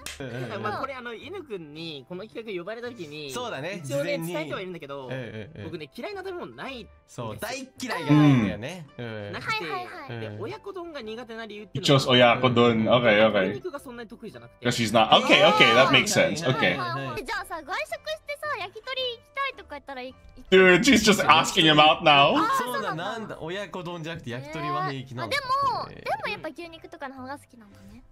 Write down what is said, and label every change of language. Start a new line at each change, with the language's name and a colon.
Japanese: ただまあこれあの犬くんにこの企画呼ばれた時にそうだね一応ね伝えてはいるんだけど、僕ね嫌いな食べ物ないそう大嫌いじゃないんだよね、なくて、で親子丼が苦手な理由っていうのは一応親子丼、オッケーオッケー肉がそんなに得意じゃなくて
English: Because she's not, OK OK that makes sense, OK
Japanese: じゃあさ外食してさ焼き鳥行きたいとか言ったら
English: Dude she's just asking him out now
Japanese: あそうだなんだ親子丼じゃなくて焼き鳥は平気なのでもでもやっぱ牛肉とかの方が好きなんだね